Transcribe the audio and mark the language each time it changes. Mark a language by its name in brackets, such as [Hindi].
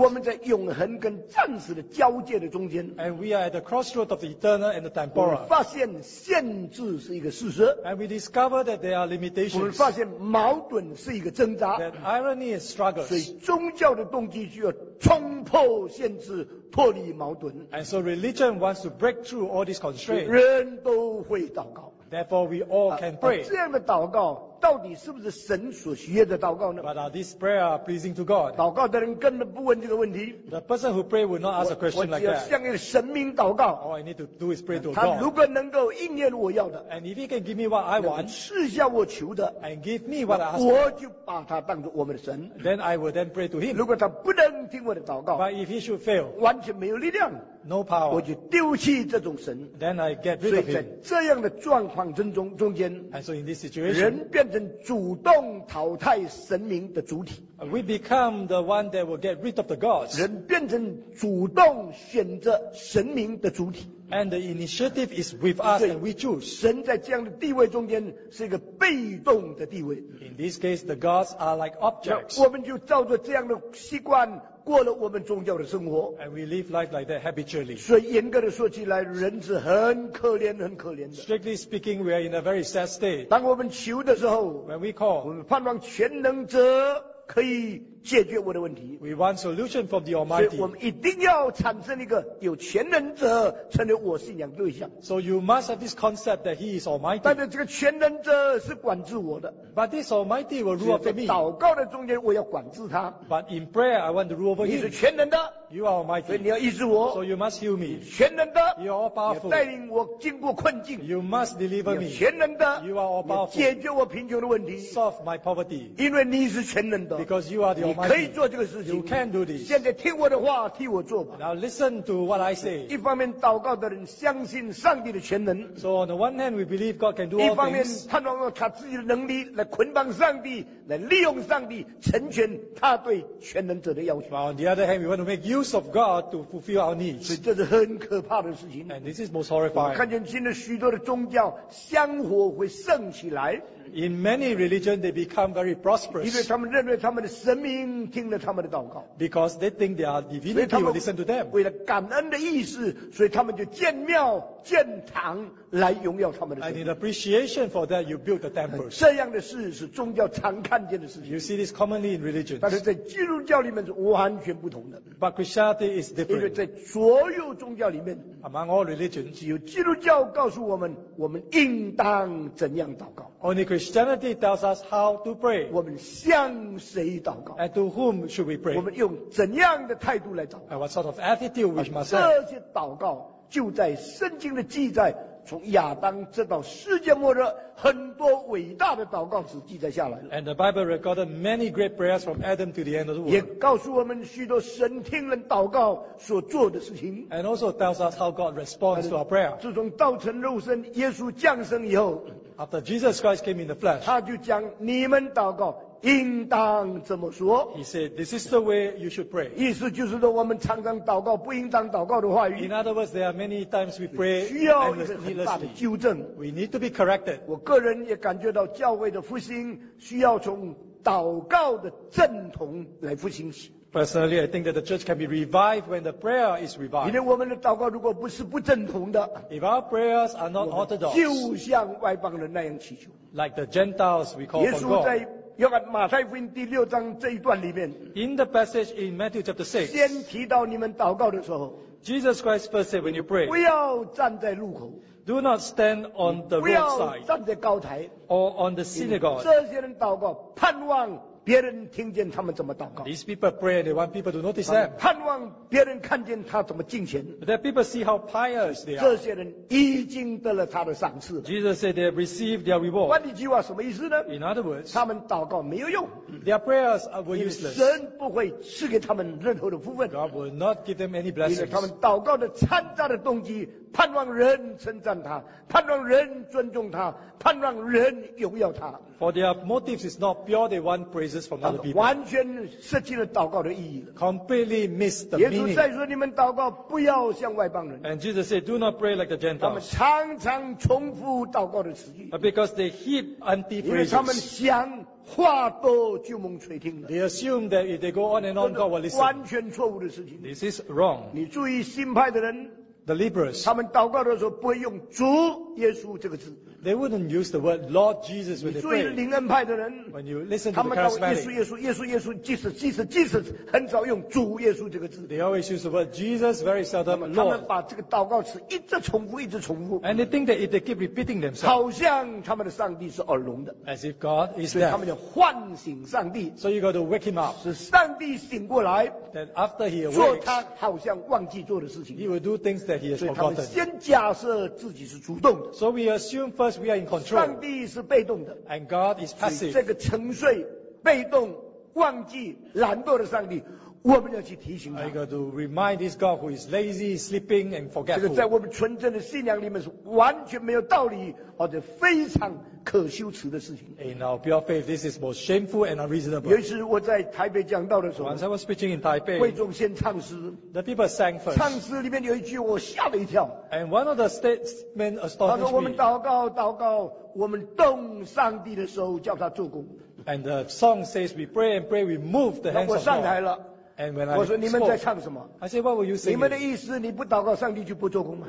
[Chinese] 我们在永恒跟暂时的交界的中间 [English] And we are at the crossroad of the eternal and the temporal. [Chinese] 我们发现限制是一个事实 [English] and we discover that there are limitations. [Chinese] 我们发现矛盾是一个挣扎 [English] that irony is struggles. [Chinese] 所以宗教的动机就要冲破限制，脱离矛盾 [English] and so religion wants to break through all these constraints. [Chinese] 人都会祷告 [English] therefore we all can pray. [Chinese] 这样的祷告到底是不是神所喜悦的祷告呢 [English] but are these prayer pleasing to God? [Chinese] 祷告的人根本不问这个问题 [English] the person who pray will not ask a question like that [Chinese] 我只要向一个神明祷告 [English] all I need to do is pray to God [Chinese] 他如果能够应验我要的 [English] and if he can give me what I want [Chinese] 赐下我求的 [English] and give me what I ask [Chinese] 我就把他当作我们的神 [English] then I will then pray to him [Chinese] 如果他不能听我的祷告 [English] but if he should fail [Chinese] 完全没有力量 [English] no power [Chinese] 我就丢弃这种神 [English] then I get rid of him [Chinese] 所以在这样的状况中间 [English] and so in this situation [Chinese] 人变成主动淘汰神明的主体 [English] We become the one that will get rid of the gods [Chinese] 人变成主动选择神明的主体 [English] And the initiative is with us and we choose [Chinese] 神在这样的地位中间是一个被动的地位 [English] In this case the gods are like objects [Chinese] 我们就照着这样的习惯过了我们宗教的生活 [English] And we live life like that habitually [Chinese] 所以严格的说起来人是很可怜很可怜的 [English] Strictly speaking we are in a very sad state [Chinese] 当我们求的时候 [English] When we call [Chinese] 我们盼望全能者可以解决我的问题。 [English] We want solution from the Almighty. [Chinese] 所以我们一定要产生一个有全能者成为我信仰对象。 [English] So you must have this concept that He is Almighty. [Chinese] 但是这个全能者是管制我的。 [English] But this Almighty will rule over me. [Chinese] 祷告的中间我要管制他。 [English] But in prayer, I want to rule over Him. [Chinese] 你是全能的。 [English] You are Almighty. [Chinese] 所以你要医治我。 [English] So you must heal me. [Chinese] 全能的。 [English] You are all powerful. [Chinese] 带领我经过困境。 [English] You must deliver me. [Chinese] 全能的。 [English] You are all powerful. [Chinese] 解决我贫穷的问题。 [English] Solve my poverty. [Chinese] 因为你是全能的。 [English] Because you are the Almighty. [Chinese] 你可以做这个事情。 [English] You can do this. [Chinese] 现在听我的话，替我做吧。 [English] Now listen to what I say. [Chinese] 一方面祷告的人相信上帝的全能。 [English] So on the one hand, we believe God can do all things. [Chinese] 一方面盼望他自己的能力来捆绑上帝，来利用上帝成全他对全能者的要求。 [English] But on the other hand, we want to make use of God to fulfill our needs. [Chinese] 所以这是很可怕的事情。 [English] And this is most horrifying. [Chinese] 我看见现在许多的宗教香火会盛起来。 [English] In many religions, they become very prosperous. [Chinese] 因为他们认为他们的神明听了他们的祷告。 [English] Because they think their divinity will listen to them. [Chinese] 为了感恩的意思，所以他们就建庙建堂来荣耀他们的神。 [English] And in appreciation for that, you build the temples. [Chinese] 这样的事是宗教常看见的事情。 [English] You see this commonly in religions. [Chinese] 但是在基督教里面是完全不同的。 [English] But Christianity is different. [Chinese] 因为在所有宗教里面 [English] ，Among all religions, [Chinese] 只有基督教告诉我们，我们应当怎样祷告。 [English] Only Christianity tells us how to pray. [Chinese] 我们向谁祷告 [English] ？And to whom should we pray? [Chinese] 我们用怎样的态度来祷告 [English] ？And what sort of attitude we must have? [Chinese] 这些祷告就在圣经的记载，从亚当直到世界末日，很多伟大的祷告是记载下来了。 [English] And the Bible recorded many great prayers from Adam to the end of the world. [Chinese] 也告诉我们许多神听人祷告所做的事情。 [English] And also tells us how God responds to our prayer. [Chinese] 自从道成肉身，耶稣降生以后。 [English] After Jesus Christ came in the flesh, [Chinese] 他就讲你们祷告应当怎么说。 [English] He said, "This is the way you should pray." [Chinese] 意思就是说，我们常常祷告不应当祷告的话语。 [English] In other words, there are many times we pray [Chinese] 需要一个很大的纠正。 [English] We need to be corrected. [Chinese] 我个人也感觉到教会的复兴需要从祷告的正统来复兴起。 [English] Personally, I think that the church can be revived when the prayer is revived. [Chinese] 因为我们的祷告如果不是不正统的 [English] ，If our prayers are not orthodox, [Chinese] 就像外邦人那样祈求 [English] ，Like the Gentiles we call for God. [Chinese] 耶稣在约翰马太福音第六章这一段里面 [English] ，In the passage in Matthew chapter 6, [Chinese] 先提到你们祷告的时候 [English] ，Jesus Christ first said when you pray, [Chinese] 不要站在路口。 [English] Do not stand on the roadside. [Chinese] 不要站在高台 [English] ，or on the synagogue. [Chinese] 这些人祷告盼望。别人听见他们怎么祷告。 [English] These people pray, they want people to notice them. [Chinese] 盼望别人看见他怎么敬虔。 [English] That people see how pious they are. [Chinese] 这些人已经得了他的赏赐。 [English] Jesus said they have received their reward. [Chinese] 换一句话什么意思呢 [English] ？In other words, [Chinese] 他们祷告没有用。 [English] Their prayers are useless. [Chinese] 神不会赐给他们任何的福分。 [English] God will not give them any blessings. [Chinese] 因为他们祷告的掺杂的动机，盼望人称赞他，盼望人尊重他，盼望人荣耀他。 [English] For their motives is not pure, they want praises from other people. [Chinese] 完全失去了祷告的意义了。 [English] Completely miss the meaning. [Chinese] 耶稣再说你们祷告不要像外邦人。 [English] And Jesus said, do not pray like the Gentiles. [Chinese] 他们常常重复祷告的词语。 [English] Because they heap empty phrases. [Chinese] 因为他们想话多就蒙垂听了。 [English] They assume that if they go on and on, God will listen. [Chinese] 完全错误的事情。 [English] This is wrong. [Chinese] 你注意新派的人。 [English] The liberals. [Chinese] 他们祷告的时候不会用主耶稣这个字。 [English] They wouldn't use the word Lord Jesus when they pray. [Chinese] 你注意灵恩派的人 [English] ，When you listen to the charismatic, [Chinese] 他们祷耶稣耶稣耶稣耶稣 [English] Jesus Jesus Jesus [Chinese] 很少用主耶稣这个字。 [English] They always use the word Jesus very seldom Lord. [Chinese] 他们把这个祷告词一直重复一直重复。 [English] And they think that if they keep repeating themselves, [Chinese] 好像他们的上帝是耳聋的。 [English] As if God is deaf. [Chinese] 所以他们就唤醒上帝。 [English] So you got to wake him up. [Chinese] 使上帝醒过来。 [English] Then after he awakes, [Chinese] 做他好像忘记做的事情。 [English] He will do things that he has forgotten. [Chinese] 所以他们先假设自己是主动的。 [English] So we assume first. We are in control. [Chinese] 上帝是被动的 [English] ，and God is passive. [Chinese] 这个沉睡、被动、忘记、懒惰的上帝，我们要去提醒他。 [English] I got to remind this God who is lazy, sleeping, and forgetful. [Chinese] 这个在我们纯正的信仰里面是完全没有道理，而且非常可羞耻的事情。 [English] In our pure faith, this is most shameful and unreasonable. [Chinese] 有一次我在台北讲道的时候 [English] ，Once I was preaching in Taipei, [Chinese] 会众先唱诗 [English] ，the people sang first. [Chinese] 唱诗里面有一句我吓了一跳 [English] ，and one of the statements astonished me. [Chinese] 他说我们祷告祷告，我们动上帝的时候叫他做工。 [English] And the song says, "We pray and pray, we move the hands of God." [Chinese] 我上台了。 [English] And when I [Chinese] 我说你们在唱什么 [English] ？I said, what were you saying? [Chinese] 你们的意思，你不祷告，上帝就不做工吗